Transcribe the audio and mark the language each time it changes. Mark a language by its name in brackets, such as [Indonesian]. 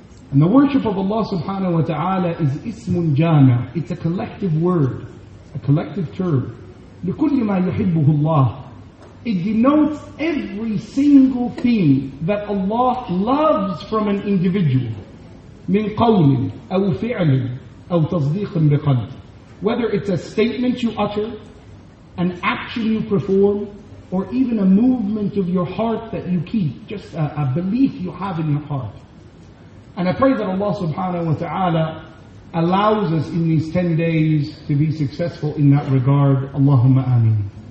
[English] And the worship of Allah subhanahu wa ta'ala is ismun jama. It's a collective word, a collective term. [Arabic] لِكُلِّ مَا يُحِبُّهُ اللَّهُ [English] It denotes every single thing that Allah loves from an individual. [Arabic] من قول أو فعل أو تصديق بقلب. [English] Whether it's a statement you utter, an action you perform, or even a movement of your heart that you keep, just a belief you have in your heart. And I pray that Allah subhanahu wa ta'ala allows us in these 10 days to be successful in that regard. Allahumma ameen.